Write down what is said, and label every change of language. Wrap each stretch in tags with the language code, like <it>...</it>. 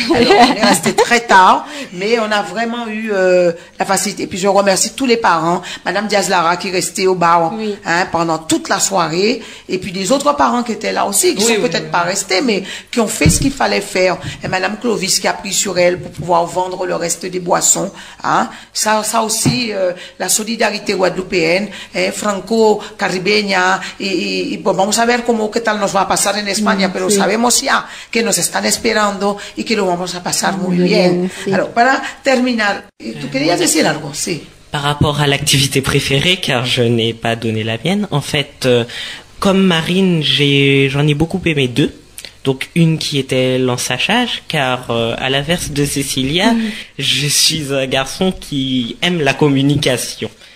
<fr>Alors, on est resté très tard, mais on a vraiment eu la facilité. Et puis, je remercie tous les parents, Madame Diaz-Lara qui est restée au bar hein, pendant toute la soirée, et puis des autres parents qui étaient là aussi, qui sont peut-être pas restés, mais qui ont fait ce qu'il fallait faire. Et Madame Clovis qui a pris sur elle pour pouvoir vendre le reste des boissons. Hein. Ça aussi, la solidarité guadeloupéenne, hein,</fr> <es>Franco, caribeña y pues vamos a ver cómo qué tal nos va a pasar en España, pero sabemos ya que nos están esperando y que lo vamos a pasar muy bien. Sí.</es> <fr>Alors,</fr> <es>para terminar, tú querías decir algo, sí.</es> <fr>Par rapport à l'activité préférée, car je n'ai pas donné la mienne, en fait, comme Marine, j'en ai beaucoup aimé deux. Donc une qui était l'ensachage, car à l'inverse de Cécilia, je suis un garçon qui aime la communication.</fr>